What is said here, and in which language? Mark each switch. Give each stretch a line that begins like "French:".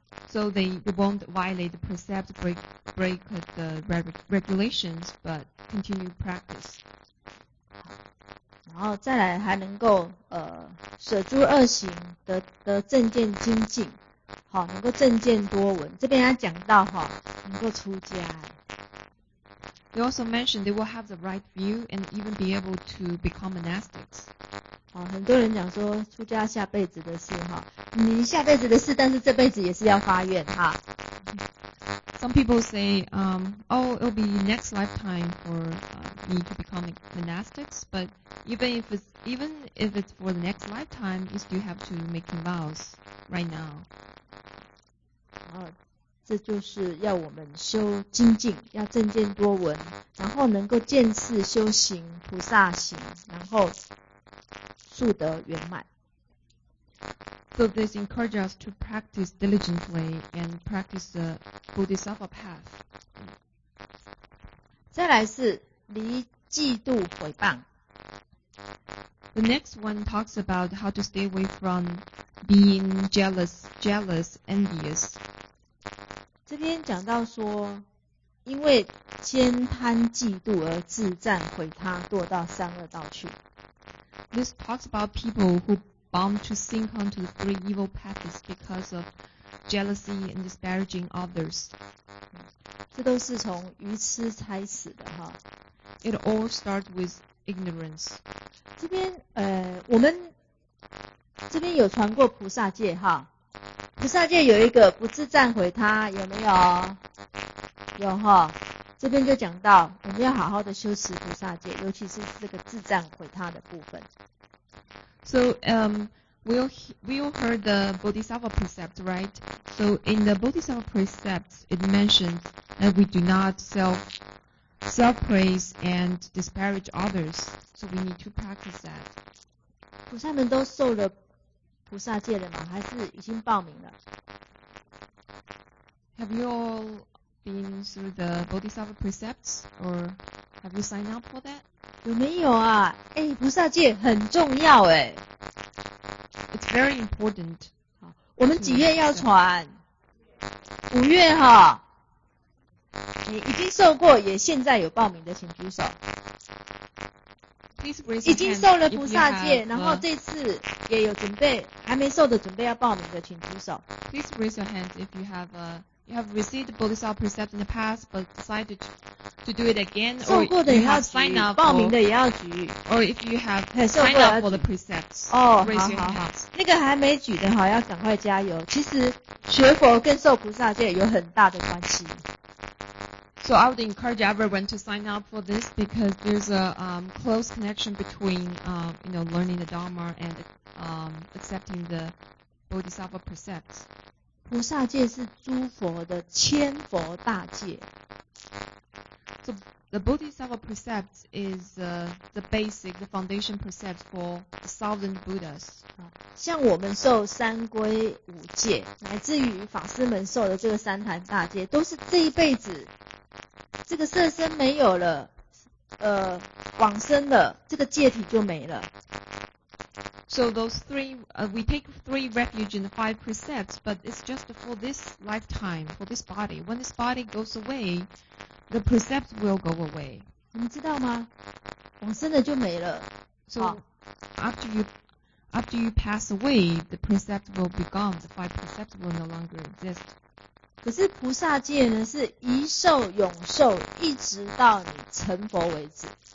English: So they won't violate the precept, break the regulations, but continue practice.
Chinese: 然后再来还能够舍诸恶行，得正见精进，好，能够正见多闻。这边他讲到哈，能够出家。
English: They also mentioned they will have the right view and even be able to become monastics.
Chinese: 好，很多人讲说出家下辈子的事哈，你下辈子的事，但是这辈子也是要发愿哈。
English: Some people say, it'll be next lifetime for me to become monastics. But even if it's for the next lifetime, you still have to make vows right now.
Chinese: 然后这就是要我们修精进，要正见多闻，然后能够见次修行菩萨行，然后。速得圆满。
English: So this encourages us to practice diligently and practice the Bodhisattva path.
Chinese: 再来是离嫉妒毁谤。
English: The next one talks about how to stay away from being jealous, envious.
Chinese: 这边讲到说，因为先攀嫉妒而自赞毁他堕到三恶道去。
English: This talks about people who bound to sink onto the three evil paths because of jealousy and disparaging others.
Chinese: 这都是从愚痴开始的哈。
English: It all starts with ignorance.
Chinese: 这边我们这边有传过菩萨戒哈。菩萨戒有一个不自赞毁他，有没有？有哈，这边就讲到我们要好好的修持菩萨戒，尤其是这个自赞毁他的部分。
English: So we all heard the Bodhisattva precept, right? So in the Bodhisattva precepts, it mentions that we do not self praise and disparage others. So we need to practice that.
Chinese: 菩萨们都受了菩萨戒了吗？还是已经报名了
English: ？Have you all been through the Bodhisattva precepts, or have you signed up for that?
Chinese: 有没有啊？菩萨戒很重要哎。
English: It's very important.
Chinese: 好，我们几月要传？五月哈。你已经受过，也现在有报名的，请举手。
English: Please raise
Chinese: 已经受了菩萨戒，然后这次也有准备，还没受的准备要报名的，请举手。
English: Please raise your hands if you have a. You have received Bodhisattva precept in the past, but decided to do it again, or you have signed up,
Chinese: 报名的也要举
English: or if you have signed up for the precepts, raise your hands.
Chinese: 那个还没举的哈，要赶快加油。其实学佛跟受菩萨戒有很大的关系。
English: So I would encourage everyone to sign up for this because there's a close connection between learning the Dharma and accepting the Bodhisattva precepts.
Chinese: 菩萨戒是诸佛的千佛大戒。
English: So the Bodhisattva precept is the basic, the foundation precept for the thousand Buddhas.
Chinese: 像我们受三皈五戒，乃至于法师们受的这个三坛大戒，都是这一辈子这个色身没有了，往生了，这个戒体就没了。
English: So those three, we take three refuge in the five precepts, but it's just for this lifetime, for this body. When this body goes away, the precepts will go away.
Chinese: 你们知道吗？往生了就没了。
English: So after you pass away, the precepts will be gone. The five precepts will no longer exist.
Chinese: 可是菩萨戒呢，是一受永受，一直到你成佛为止。